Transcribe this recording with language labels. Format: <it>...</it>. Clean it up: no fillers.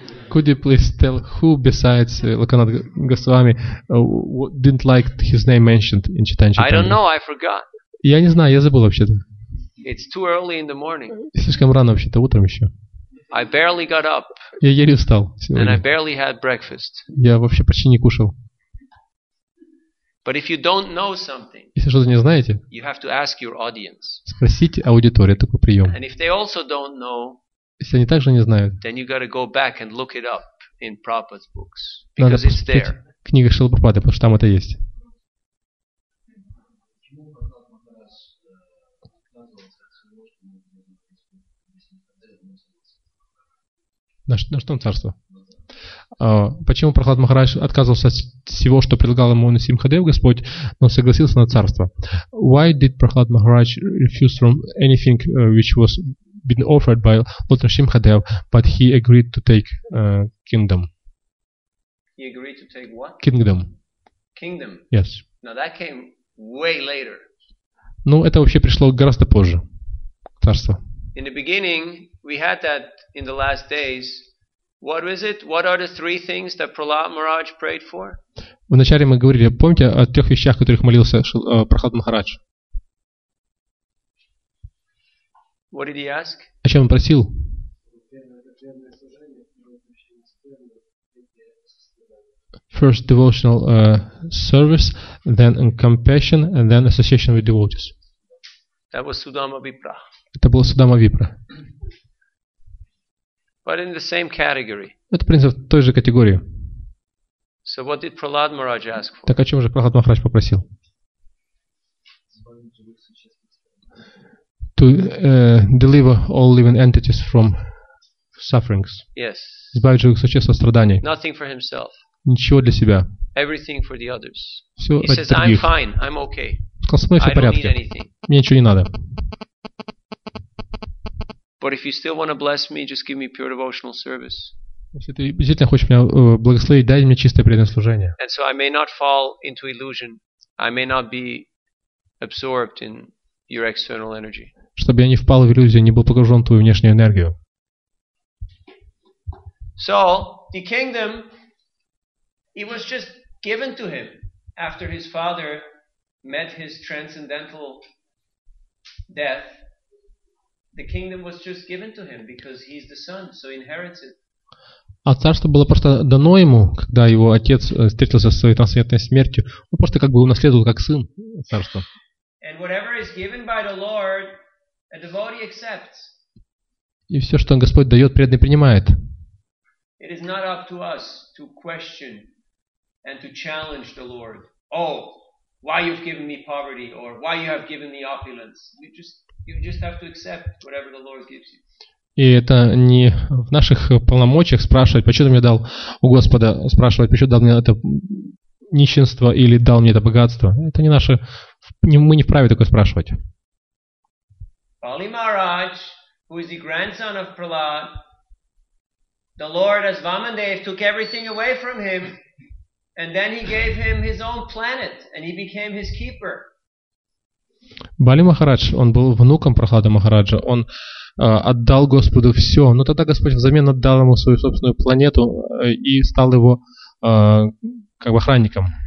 <en>Could you please tell who besides Lokanath Goswami didn't like his name mentioned in Chaitanya Charitamrita? I don't know, I forgot.</en> <ru>Я не знаю, я забыл вообще-то.</ru> <en>It's too early in the morning.</en> <ru>Слишком рано вообще-то, утром еще.</ru> <en>I barely got up.</en> <ru>Я еле встал сегодня.</ru> <en>And I barely had breakfast.</en> <ru>Я вообще почти не кушал.</ru> <en>But if you don't know something,</en> <ru>если что-то не знаете,</ru> <en>you have to ask your audience.</en> <ru>Спросите аудиторию, такой прием.</ru> <en>And if they also don't know,</en> <ru>если они также не знают,</ru> <en>then you got to go back and look it up in Prabhupada's books, because it's there.</en> <ru>Надо посмотреть в книгах Шрилы Прабхупады, потому что там это есть. На что он царство? Почему Прохлад Махарадж отказывался от всего, что предлагал ему Нарсимхадев Господь, но согласился на царство?</ru> <en>Why did Прохлад Махарадж refuse from anything which was been offered by Lord Nrsimhadev, but he agreed to take kingdom? He agreed to take what? Kingdom. Kingdom. Yes. Now that came way later.</en> <ru>Ну, это вообще пришло гораздо позже. Царство.</ru> <en>In the beginning, we had that in the last days. What was it? What are the three things that Prahlad Maharaj prayed for?</en> <ru>Вначале мы говорили, помните, о трех вещах, о которых молился Прохлад Махарадж?</ru> <en>What did he ask?</en> <ru>О чем он просил?</ru> <en>First devotional service, then compassion, and then association with devotees. That was Sudama Vipra.</en> <ru>Это было Судама Випра.</ru> <en>But in the same category.</en> <ru>Это, в принципе, в той же категории.</ru> <en>So what did Prahlad Maharaj ask for?</en> <ru>Так о чем же Прахлад Махарадж попросил?</ru> <en>To deliver all living entities from sufferings. Yes.</en> <ru>Избавить живых существ от страданий.</ru> <en>Nothing for himself.</en> <ru>Ничего для себя.</ru> <en>Everything for the others.</en> <ru>Все</ru> <en>He says,</en> <ru>других.</ru> <en>I'm fine, I'm okay.</en> <ru>Сказал, со мной все в порядке. Мне ничего не надо.</ru> <en>But if you still want to bless me, just give me pure devotional service.</en> <ru>Если ты действительно хочешь меня благословить, дай мне чистое преданное служение.</ru> <en>And so I may not fall into illusion. I may not be absorbed in your external energy.</en> <ru>Чтобы я не впал в иллюзию, не был погружен в твою внешнюю энергию.</ru> <en>So the kingdom, it was just given to him after his father met his transcendental death. The kingdom was just given to him because he's the son, so inherits it.</en> <ru>А царство было просто дано ему, когда его отец встретился со своей трансцендентной смертью. Он просто как бы унаследовал как сын царство.</ru> <en>And whatever is given by the Lord, a devotee accepts.</en> <ru>И все, что Господь дает, преданный принимает.</ru> <en>It is not up to us to question and to challenge the Lord. Oh, why you've given me poverty or why you have given me opulence? You just have to accept whatever the Lord gives you.</en> <ru>И это не в наших полномочиях спрашивать, почему ты мне дал у Господа, спрашивать, почему дал мне это нищенство или дал мне это богатство. Это не наше, мы не вправе такое спрашивать.</ru> <en>Pali Maharaj, who is the grandson of Prahlad, the Lord as Vamandev took everything away from him, and then he gave him his own planet, and he became his keeper.</en> <ru>Бали Махарадж, он был внуком Прахлада Махараджа, он отдал Господу все, но тогда Господь взамен отдал ему свою собственную планету и стал его как бы охранником.</ru>